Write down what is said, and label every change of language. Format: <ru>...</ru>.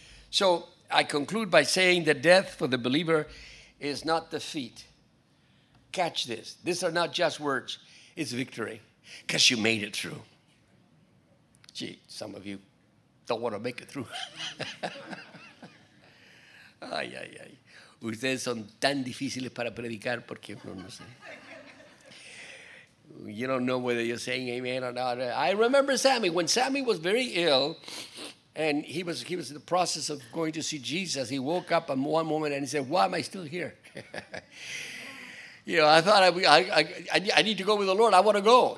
<en>So I conclude by saying that death for the believer is not defeat. Catch this. These are not just words. It's victory. Because you made it through. Gee, some of you don't want to make it through. Ay, ay, ay.</en> <es>Ustedes son tan difíciles para predicar porque uno no sé.</es> <en>You don't know whether you're saying amen or not. I remember Sammy. When Sammy was very ill and he was in the process of going to see Jesus, he woke up in one moment and he said, why am I still here? You know, I thought I need to go with the Lord. I want to go.</en>